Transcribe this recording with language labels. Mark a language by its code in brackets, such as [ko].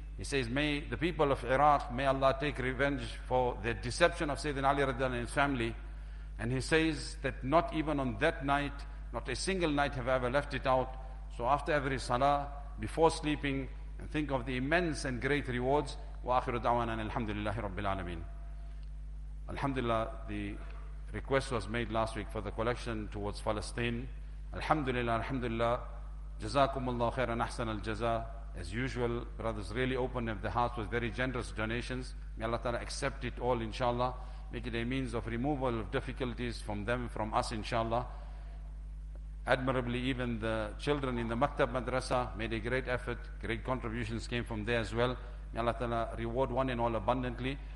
[en] He says, may the people of Iraq, may Allah take revenge for the deception of Sayyidina Ali radiallahu anhu and his family. And he says that not even on that night, not a single night have I ever left it out. So after every salah, before sleeping, and think of the immense and great rewards. [ar] وآخر دعوانا الحمد لله رب العالمين. [en] Alhamdulillah, the request was made last week for the collection towards Palestine. Alhamdulillah, alhamdulillah. [ar] جزاكم الله خيرا أحسن الجزاء. [en] As usual, brothers really opened up the hearts with very generous donations. May Allah Ta'ala accept it all, inshallah. Make it a means of removal of difficulties from them, from us, inshallah. Admirably, even the children in the Maktab Madrasa made a great effort. Great contributions came from there as well. May Allah Ta'ala reward one and all abundantly.